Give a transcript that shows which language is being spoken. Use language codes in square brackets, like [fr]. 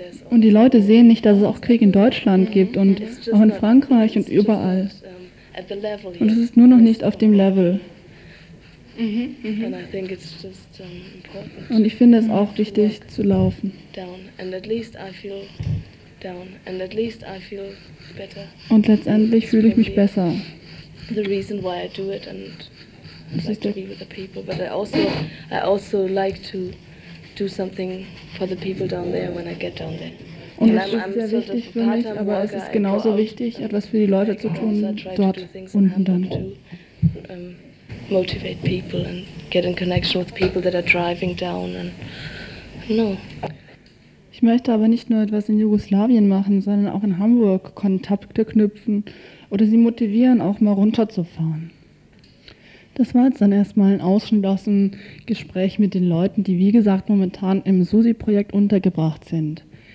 [de] Und die Leute sehen nicht, dass es auch Krieg in Deutschland gibt und auch in Frankreich und überall. Und es ist nur noch nicht auf dem Level. [en] And I think it's just important. [de] Und ich finde es auch wichtig zu laufen. [en] Down. And at least I feel down. And at least I feel better. [de] Und letztendlich fühle ich mich besser. [en] The reason why I do it and I like to be with the people, but I also like to do something for the people down there when I get down there. [de] Und das ist sehr wichtig für mich, aber es ist genauso wichtig, etwas für die Leute zu tun dort unten dann. [en] Motivate people and get in connection with people that are driving down and no. [de] Ich möchte aber nicht nur etwas in Jugoslawien machen, sondern auch in Hamburg Kontakte knüpfen, oder sie motivieren, auch mal runterzufahren. Das war jetzt dann erstmal ein Ausschnitt aus dem Gespräch mit den Leuten, die wie gesagt momentan im SUSI-Projekt untergebracht sind.